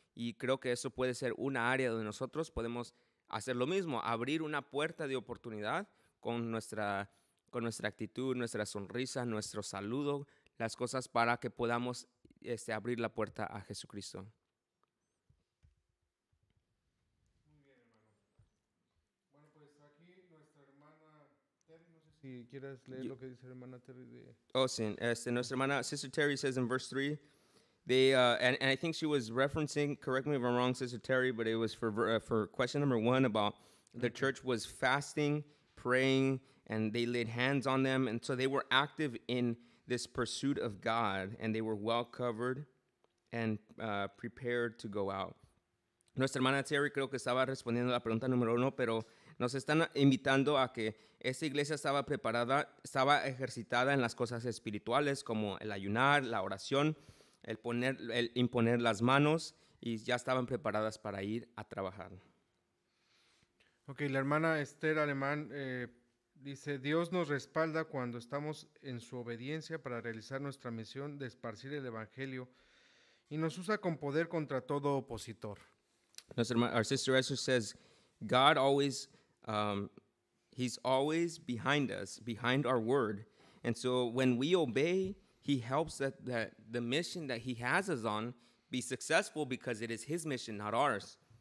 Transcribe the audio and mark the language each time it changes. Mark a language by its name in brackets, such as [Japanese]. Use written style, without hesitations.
[Spanish] Y creo que eso puede ser una área donde nosotros podemos hacer lo mismo, abrir una puerta de oportunidad con nuestra actitud, nuestra sonrisa, nuestro saludo, las cosas para que podamos abrir la puerta a Jesucristo. Muy bien, hermano. Bueno, pues aquí nuestra hermana Terry, no sé si quieres leer lo que dice la hermana Terry. Nuestra hermana, [English] Sister Terry, says in verse 3, I think she was referencing, correct me if I'm wrong, Sister Terry, but it was for question number one about the church was fasting, praying, and they laid hands on them. And so they were active in this pursuit of God, and they were well covered and prepared to go out. [Spanish] Nuestra hermana Terry creo que estaba respondiendo la pregunta número uno, pero nos están invitando a que esta iglesia estaba preparada, estaba ejercitada en las cosas espirituales, como el ayunar, la oración, el imponer las manos, y ya estaban preparadas para ir a trabajar. Ok, la hermana Esther Alemán dice, Dios nos respalda cuando estamos en su obediencia para realizar nuestra misión de esparcir el evangelio, y nos usa con poder contra todo opositor. [English] Our sister Esther says, God always, he's always behind us, behind our word, and so when we obey, he helps that the mission that he has us on be successful because it is his mission, not ours.